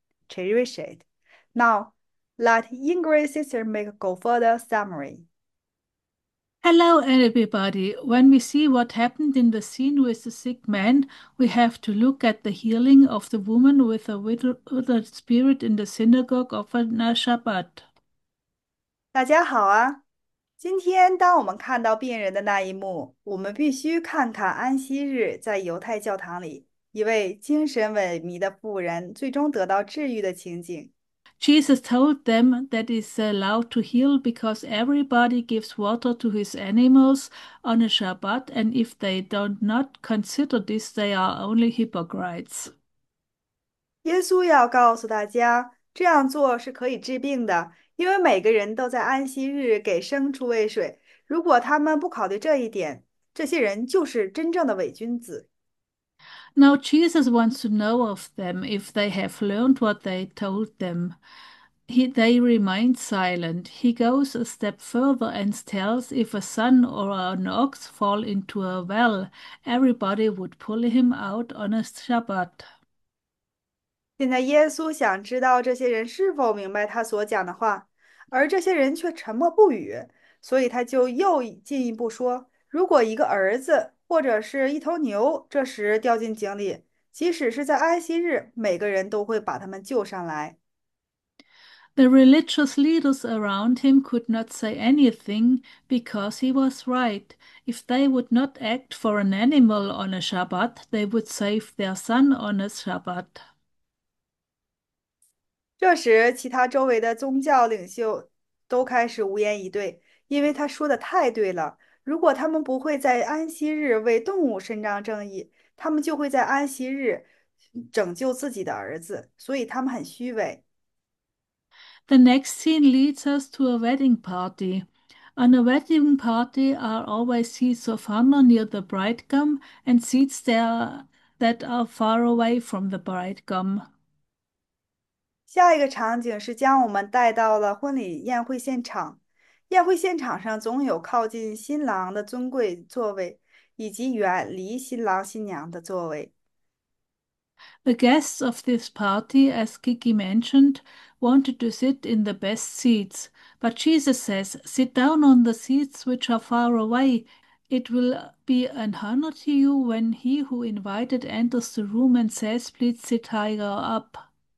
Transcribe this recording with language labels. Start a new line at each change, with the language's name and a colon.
English: Cherish it. Now, let Ingrid's sister make a go further summary. Hello, everybody. When we see what happened in the scene with the sick man, we have to look at the healing of the woman with a withered spirit in the synagogue of a Shabbat.
Chinese: 大家好啊！今天当我们看到病人的那一幕，我们必须看看安息日在犹太教堂里一位精神萎靡的妇人最终得到治愈的情景。
English: Jesus told them that it's allowed to heal because everybody gives water to his animals on a Shabbat, and if they don't not consider this, they are only hypocrites.
Chinese: 耶稣要告诉大家，这样做是可以治病的。因为每个人都在安息日给牲畜喂水，如果他们不考虑这一点，这些人就是真正的伪君子。
English: Now Jesus wants to know of them if they have learned what they told them. They remain silent. He goes a step further and tells if a son or an ox fall into a well, everybody would pull him out on a Shabbat.
Chinese: 现在耶稣想知道这些人是否明白他所讲的话，而这些人却沉默不语，所以他就又进一步说：如果一个儿子或者是一头牛这时掉进井里，即使是在安息日，每个人都会把他们救上来。
English: The religious leaders around him could not say anything because he was right. If they would not act for an animal on a Shabbat, they would save their son on a Shabbat.
Chinese: 这时，其他周围的宗教领袖都开始无言以对，因为他说的太对了。如果他们不会在安息日为动物伸张正义，他们就会在安息日拯救自己的儿子，所以他们很虚伪。
English: The next scene leads us to a wedding party. On a wedding party are always seats of honor near the bridegroom and seats there that are far away from the bridegroom.
Chinese: 下一个场景是将我们带到了婚礼宴会现场。宴会现场上总有靠近新郎的尊贵座位，以及远离新郎新娘的座位。
English: The guests of this party, as Kiki mentioned, wanted to sit in the best seats, but Jesus says, "Sit down on the seats which are far away. It will be an honor to you when he who invited enters the room and says, 'Please sit higher up.'"